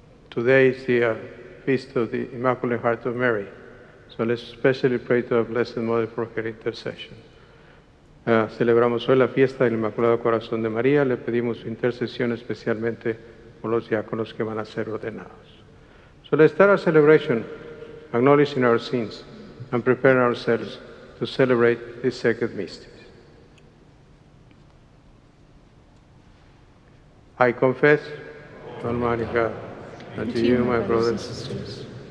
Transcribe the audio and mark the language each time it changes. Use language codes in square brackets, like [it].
[en] Today is the Feast of the Immaculate Heart of Mary. So let's especially pray to our Blessed Mother for her intercession. [es] Celebramos hoy la fiesta del Inmaculado Corazón de María. Le pedimos su intercesión especialmente por los diáconos que van a ser ordenados. [en] So let's start our celebration, acknowledging our sins, and preparing ourselves to celebrate this sacred mystery. I confess, Almighty God, and to you, my brothers and sisters,